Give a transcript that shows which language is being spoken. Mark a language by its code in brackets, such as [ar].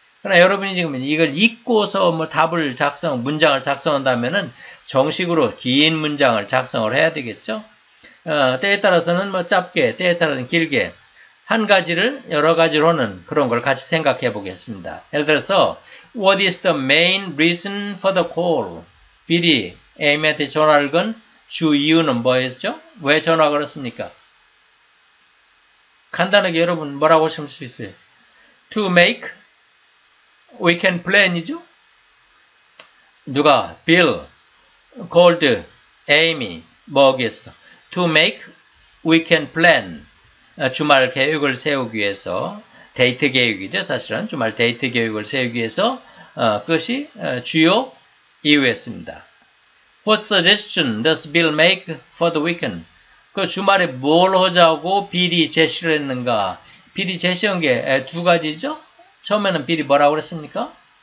[ko] 그러나 여러분이 지금 이걸 읽고서 뭐 문장을 작성한다면은 정식으로 긴 문장을 작성을 해야 되겠죠? 때에 따라서는 뭐 짧게, 때에 따라서는 길게, 한 가지를 여러 가지로는 그런 걸 같이 생각해 보겠습니다. 예를 들어서, [en] What is the main reason for the call? [ko] 비리 A매한테 전화를 건주 이유는 뭐였죠? 왜 전화 걸었습니까? 간단하게 여러분 뭐라고 하실 수 있어요? [en] To make weekend plan이죠? [ko] 누가? Bill, Gold, Amy 뭐겠어? [en] To make weekend plan. [ko] 주말 계획을 세우기 위해서, 데이트 계획이죠. 사실은 주말 데이트 계획을 세우기 위해서 그것이 주요 이유였습니다. [en] What suggestion does Bill make for the weekend? [ko] 그 주말에 뭘 하자고 빌이 제시를 했는가? 빌이 제시한 게두 가지죠? 처음에는 빌이 뭐라고 그랬습니까?